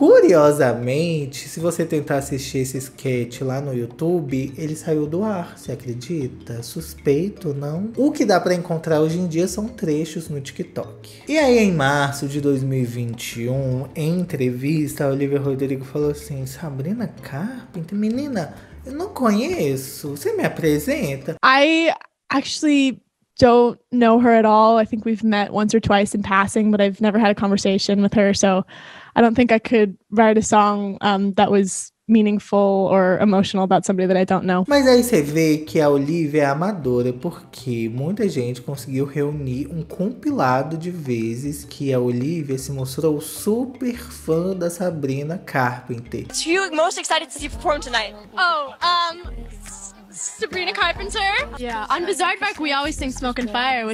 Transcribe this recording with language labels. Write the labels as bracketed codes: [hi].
[pt] Curiosamente, se você tentar assistir esse sketch lá no YouTube, ele saiu do ar, você acredita? Suspeito, não? O que dá pra encontrar hoje em dia são trechos no TikTok. E aí, em março de 2021, em entrevista, a Olivia Rodrigo falou assim: Sabrina Carpenter, menina, eu não conheço, você me apresenta? [en] I actually don't know her at all. I think we've met once or twice in passing, but I've never had a conversation with her, so I don't think I could write a song that was meaningful or emotional about somebody that I don't know. [pt] Mas aí você vê que a Olivia é amadora, porque muita gente conseguiu reunir um compilado de vezes que a Olivia se mostrou super fã da Sabrina Carpenter. [en] Are you most excited to see perform tonight? Sabrina Carpenter? Yeah. On Bizarre Park, we always sing Smoke and Fire.